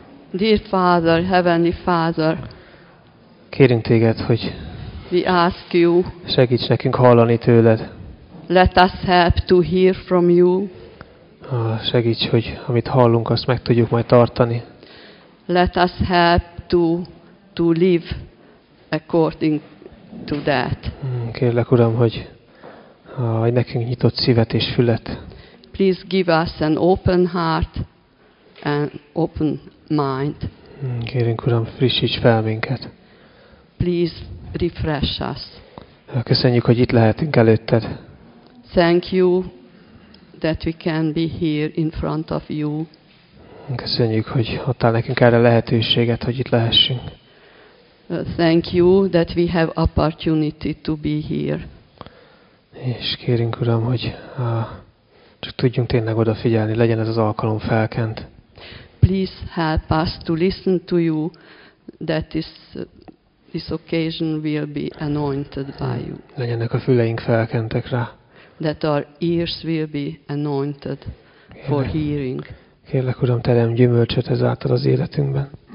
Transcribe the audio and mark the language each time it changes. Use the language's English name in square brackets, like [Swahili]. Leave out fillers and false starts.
[English] Dear Father, Heavenly Father. [Hungarian] Kérünk téged, hogy [English] We ask you. [Hungarian] Segíts nekünk hallani tőled. [English] Let us help to hear from you. [Hungarian] Segíts, hogy amit hallunk, azt meg tudjuk majd tartani. [English] Let us help to live according to that. [Hungarian] Kérlek, Uram, hogy adj nekünk nyitott szívet és fület. [English] Please give us an open heart and open mind. [Hungarian] Kérünk, Uram, frissíts fel minket. [English] Please refresh us. [Hungarian] Köszönjük, hogy itt lehetünk előtted. [English] Thank you. That we can be here in front of you. [Hungarian] Köszönjük, hogy adtál nekünk erre lehetőséget, hogy itt lehessünk. [English] Thank you that we have opportunity to be here. [Hungarian] És kérünk, Uram, hogy csak tudjunk tényleg odafigyelni, legyen ez az alkalom felkent. [English] Please help us to listen to you that this occasion will be anointed by you. [Hungarian] Legyenek a füleink felkentek rá. [English] That our ears will be anointed for hearing. [Hungarian] Kérlek, Uram, terem gyümölcsöt ezáltal az életünkben.